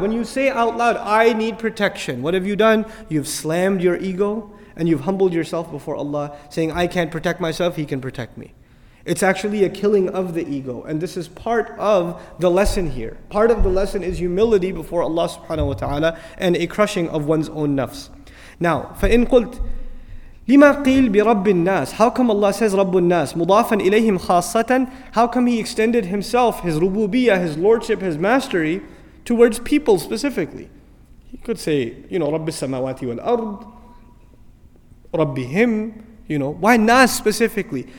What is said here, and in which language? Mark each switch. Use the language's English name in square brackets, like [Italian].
[English] When you say out loud, I need protection, what have you done? You've slammed your ego and you've humbled yourself before Allah, saying, I can't protect myself, He can protect me. It's actually a killing of the ego. And this is part of the lesson here. Part of the lesson is humility before Allah subhanahu wa ta'ala and a crushing of one's own nafs. [Arabic] Now, فَإِن قُلْتْ لِمَا قِيلْ بِرَبِّ النَّاسِ. [English] How come Allah says [Arabic] رَبُّ النَّاسِ مُضَافًا إِلَيْهِمْ خَاصَّةً. [English] How come He extended Himself, His rububiyah, His lordship, His mastery towards people specifically? He could say, you know, [Arabic] رَبِّ السَّمَوَاتِ وَالْأَرْضِ رَبِّهِمْ. [English] You know, why nas specifically?